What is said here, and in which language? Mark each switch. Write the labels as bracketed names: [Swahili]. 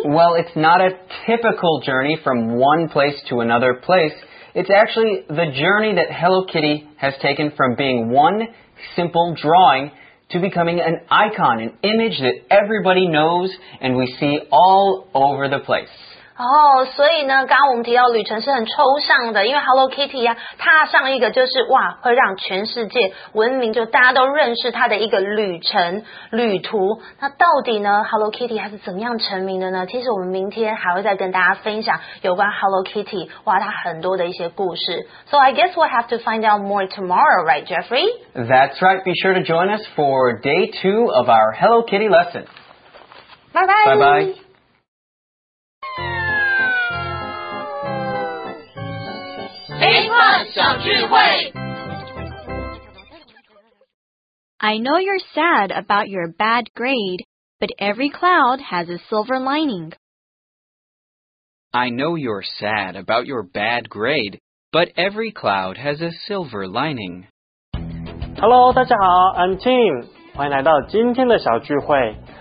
[English] Well, it's not a typical journey from one place to another place. It's actually the journey that Hello Kitty has taken from being one simple drawing to becoming an icon, an image that everybody knows and we see all over the place. [Chinese] 哦、oh, ，所以呢，刚刚我们提到旅程是很抽象的，因为 Hello Kitty 呀、啊，踏上一个就是哇，会让全世界闻名，就大家都认识它的一个旅程旅途。那到底呢 ，Hello Kitty 它是怎么样成名的呢？其实我们明天还会再跟大家分享有关 Hello Kitty 哇，它很多的一些故事。 [English] So I guess we'll have to find out more tomorrow, right, Jeffrey? That's right. Be sure to join us for day two of our Hello Kitty lesson. Bye bye. Bye bye. I know you're sad about your bad grade, but every cloud has a silver lining. I know you're sad about your bad grade, but every cloud has a silver lining. Hello, [Chinese] 大家好 [English] I'm Tim. [Chinese] 欢迎来到今天的小聚会。